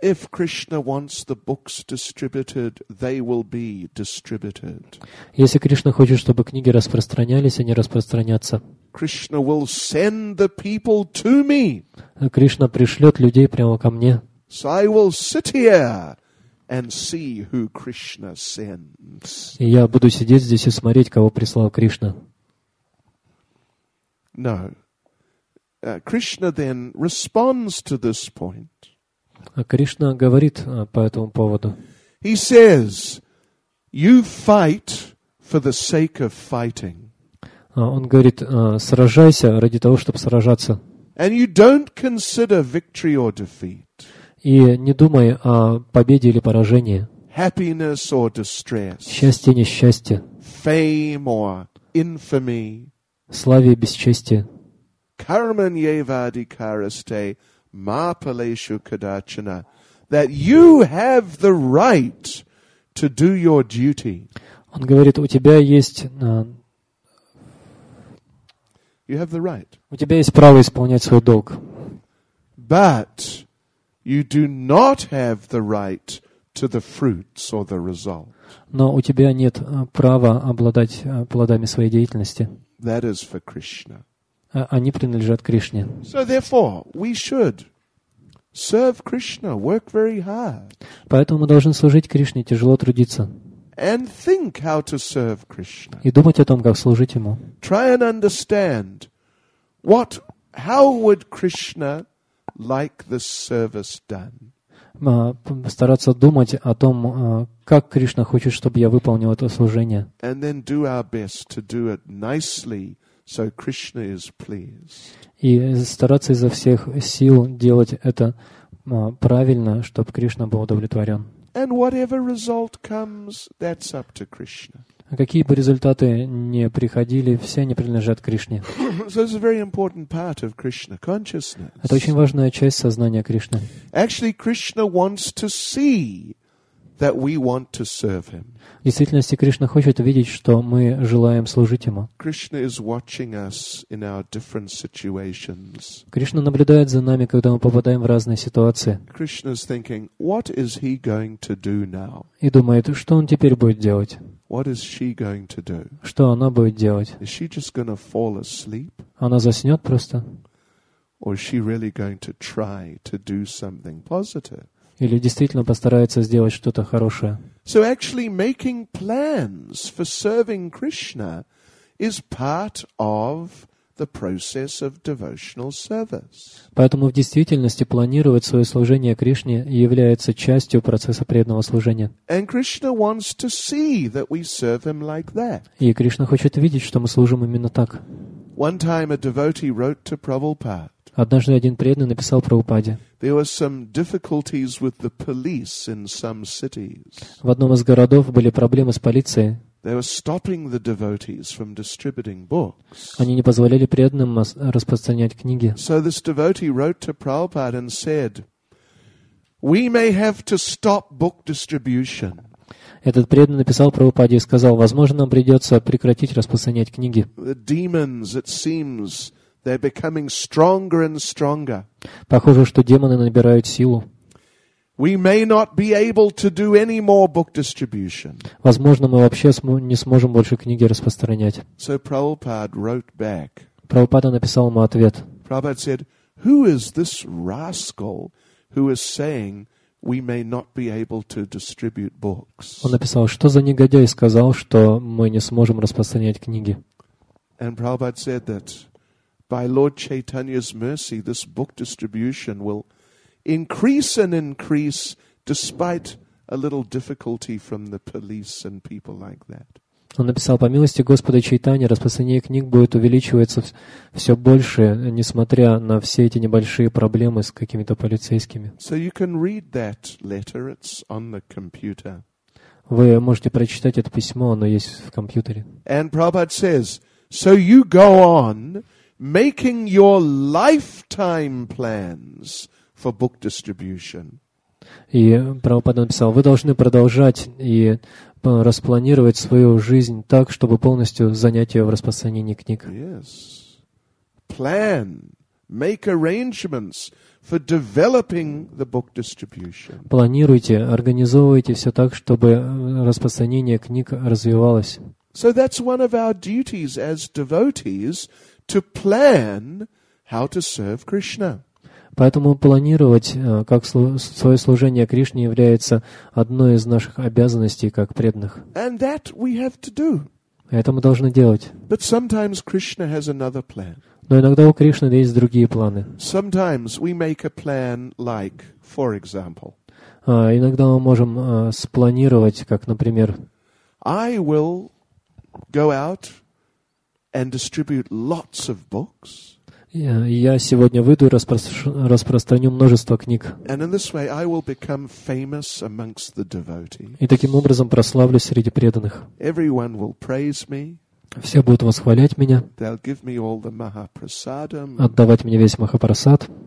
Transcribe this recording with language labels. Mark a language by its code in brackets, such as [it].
[en] If Krishna wants the books distributed, they will be distributed. [ru] Если Кришна хочет, чтобы книги распространялись, они распространятся. [en] Krishna will send the people to me. [ru] Кришна пришлет людей прямо ко мне. [en] So I will sit here and see who Krishna sends. [ru] Я буду сидеть здесь и смотреть, кого прислал Кришна. [en] No. Krishna then responds to this point. [ru] А Кришна говорит по этому поводу. [en] He says, "You fight for the sake of fighting." [ru] Он говорит, сражайся ради того, чтобы сражаться. [en] And you don't consider victory or defeat. [ru] И не думай о победе или поражении. [en] Happiness or distress. [ru] Счастье, несчастье. [en] Fame or infamy. [ru] Славе и бесчестие. [sa] Карман Евади Каресте Мапалешу Кадачина. [en] That you have the right to do your duty. [ru] Он говорит, у тебя есть... [en] You have the right. [ru] У тебя есть право исполнять свой долг. [en] But you do not have the right to the fruits or the result. [ru] Но у тебя нет права обладать плодами своей деятельности. [en] That is for Krishna. [ru] Они принадлежат Кришне. [en] So therefore, we should serve Krishna, work very hard. [ru] Поэтому мы должны служить Кришне, тяжело трудиться. [en] And think how to serve Krishna. [ru] И думать о том, как служить ему. [en] Try and understand what, how would Krishna like this service done? [ru] Стараться думать о том, как Кришна хочет, чтобы я выполнил это служение. [en] And then do our best to do it nicely, so Krishna is pleased. [ru] И стараться изо всех сил делать это правильно, чтобы Кришна был удовлетворен. [en] And whatever result comes, that's up to Krishna. [ru] Какие бы результаты ни приходили, все они принадлежат Кришне. [en] So this is a very important part of Krishna consciousness. [ru] Это очень важная часть сознания Кришны. [en] Actually, Krishna wants to see that we want to serve Him. [ru] В действительности, Кришна хочет видеть, что мы желаем служить Ему. [en] Krishna is watching us in our different situations. [ru] Кришна наблюдает за нами, когда мы попадаем в разные ситуации. [en] Krishna is thinking, what is He going to do now? [ru] И думает, что Он теперь будет делать? [en] What is she going to do? [ru] Что она будет делать? [en] Is she just going to fall asleep? [ru] Она заснет просто? [en] Or is she really going to try to do something positive? [ru] Или действительно постарается сделать что-то хорошее. [en] So actually making plans for serving Krishna is part of the process of devotional service. [ru] Поэтому в действительности планировать свое служение Кришне является частью процесса преданного служения. [en] And Krishna wants to see that we serve Him like that. [ru] И Кришна хочет видеть, что мы служим именно так. [en] One time a devotee wrote to Prabhupada. [ru] Однажды один преданный написал Прабхупаде. [en] There were some difficulties with the police in some cities. [ru] В одном из городов были проблемы с полицией. [en] They were stopping the devotees from distributing books. [ru] Они не позволяли преданным распространять книги. [en] So this devotee wrote to Prabhupada and said, "We may have to stop book distribution." [ru] Этот преданный написал Прабхупаде и сказал: "Возможно, нам придется прекратить распространять книги." [en] The demons, it seems, they're becoming stronger and stronger. [ru] Похоже, что демоны набирают силу. [en] We may not be able to do any more book distribution. [ru] Возможно, мы вообще не сможем больше книги распространять. [en] So Prabhupada wrote back. [ru] Прабхупада написал ему ответ. [en] Prabhupada said, "Who is this rascal who is saying we may not be able to distribute books?" [ru] Он написал, что за негодяй сказал, что мы не сможем распространять книги. [en] And Prabhupada said that by Lord Chaitanya's mercy, this book distribution will increase and increase despite a little difficulty from the police and people like that. [ru] Он написал, по милости Господа Чайтани, распространение книг будет увеличиваться все больше, несмотря на все эти небольшие проблемы с какими-то полицейскими. [en] So you can read that letter, it's on the computer. [ru] Вы можете прочитать это письмо, оно есть в компьютере. [en] And Prabhupada says, so you go on making your lifetime plans for book distribution. [ru] И Прабхупада написал, вы должны продолжать и распланировать свою жизнь так, чтобы полностью занять ее в распространении книг. [en] Yes. Plan. Make arrangements for developing the book distribution. [ru] Планируйте, организовывайте все так, чтобы распространение книг развивалось. [en] So that's one of our duties as devotees, to plan how to serve Krishna. [ru] Поэтому планировать, как свое служение Кришне, является одной из наших обязанностей как преданных. [en] And that we have to do. [ru] Это мы должны делать. [en] But sometimes Krishna has another plan. [ru] Но иногда у Кришны есть другие планы. [en] Sometimes we make a plan like, for example. [ru] Иногда мы можем спланировать, как, например, [en] I will go out and distribute lots of books. [ru] Я сегодня выйду и распространю множество книг. [en] And in this way, I will become famous amongst the devotees. [ru] И таким образом прославлюсь среди преданных. [en] Everyone will praise me. [ru] Все будут восхвалять меня. [en] They'll give me all the Mahaprasadam. [ru] Отдавать мне весь Махапрасад.